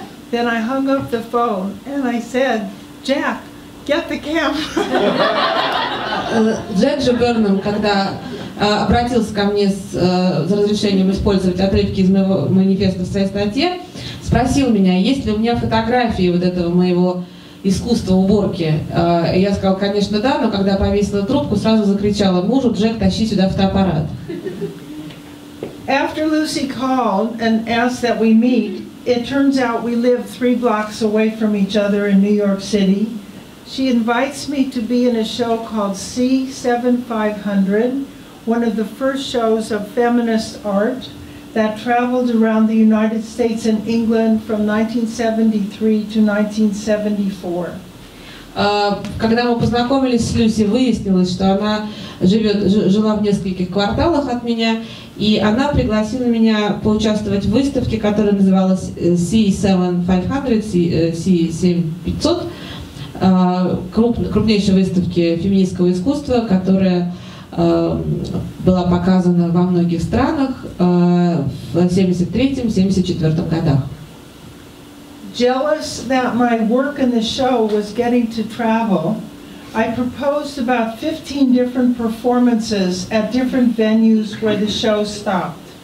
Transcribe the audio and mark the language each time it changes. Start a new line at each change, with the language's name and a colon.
English: Then I hung up the phone and I said, Jack, get the camera.
Russian: Джек же Бёрнам, когда обратился ко мне с разрешением использовать отрывки из моего манифеста в своей статье, спросил меня, есть ли у меня фотографии вот этого моего искусства уборки. Я сказала, конечно, да, но когда повесила трубку, сразу закричала мужу, Джек, тащи сюда фотоаппарат.
English: After Lucy called and asked that we meet, it turns out we live 3 blocks away from each other in New York City. She invites me to be in a show called C7500, one of the first shows of feminist art that traveled around the United States and England from 1973 to 1974.
Russian: Когда мы познакомились с Люси, выяснилось, что она жила в нескольких кварталах от меня, и она пригласила меня поучаствовать в выставке, которая называлась C7500, крупнейшей выставке феминистского искусства, которая была показана во многих странах в 73-74 годах.
English: Jealous that my work in the show was getting to travel, I proposed about 15 different performances at different venues where the show stopped.